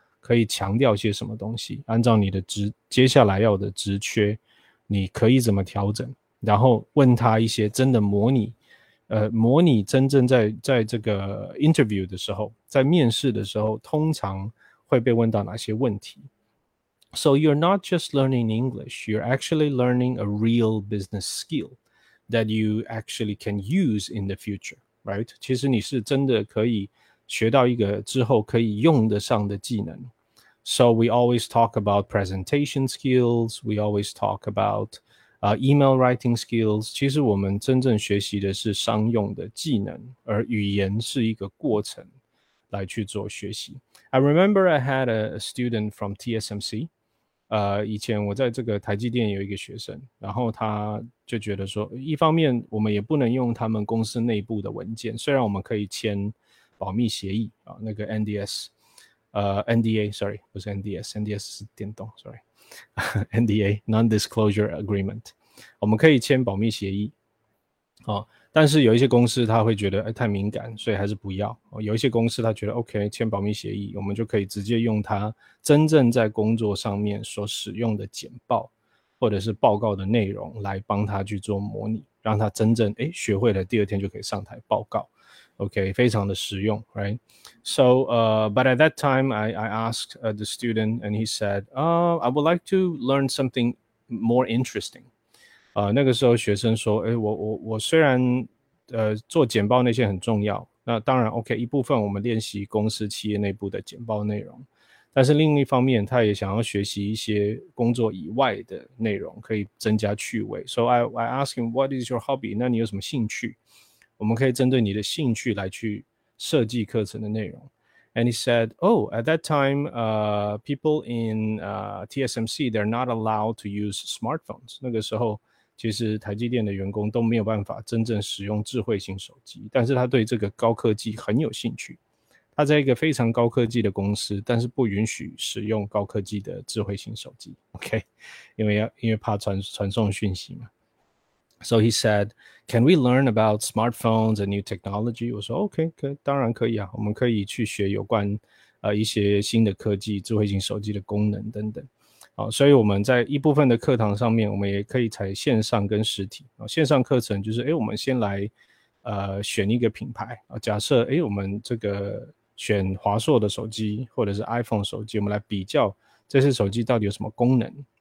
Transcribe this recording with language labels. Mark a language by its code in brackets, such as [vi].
[zh] 可以强调些什么东西，按照你的接下来要的职缺你可以怎么调整，然后问他一些真的模拟真正在这个 interview 的时候，在面试的时候通常会被问到哪些问题。 [en] So you're not just learning English, you're actually learning a real business skill that you actually can use in the future, right? [zh] 其实你是真的可以学到一个之后可以用得上的技能。 [en] So we always talk about presentation skills, we always talk about email writing skills. [zh] 其实我们真正学习的是商用的技能，而语言是一个过程来去做学习。 [en] I remember I had a student from TSMC. [zh] 以前我在这个台积电有一个学生，然后他就觉得说，一方面我们也不能用他们公司内部的文件，虽然我们可以签保密协议，那个 NDA non-disclosure agreement, 我们可以签保密协议，但是有一些公司他会觉得，哎，太敏感，所以还是不要，有一些公司他觉得 OK 签保密协议，我们就可以直接用他真正在工作上面所使用的简报或者是报告的内容来帮他去做模拟，让他真正，哎，学会了第二天就可以上台报告。 Okay, 非常的实用, right? [en] So, but at that time, I asked the student, and he said, I would like to learn something more interesting. [zh] 那个时候学生说，诶，我虽然做简报那些很重要，那当然 OK, 一部分我们练习公司企业内部的简报内容，但是另一方面他也想要学习一些工作以外的内容，可以增加趣味。 [en] So I asked him, what is your hobby? [zh] 那你有什么兴趣？我们可以针对你的兴趣来去设计课程的内容。 [en] And he said, oh, at that time, people in TSMC, they're not allowed to use smartphones. [zh] 那个时候其实台积电的员工都没有办法真正使用智慧型手机，但是他对这个高科技很有兴趣，他在一个非常高科技的公司，但是不允许使用高科技的智慧型手机， OK, 因为怕传送讯息嘛。 [en] So he said, can we learn about smartphones and new technology? [zh] 我说 OK, 当然可以啊，我们可以去学有关一些新的科技，智慧型手机的功能等等。所以我们在一部分的课堂上面，我们也可以采线上跟实体。线上课程就是，诶，我们先来选一个品牌，假设，诶，我们这个选华硕的手机或者是 iPhone 手机，我们来比较这些手机到底有什么功能。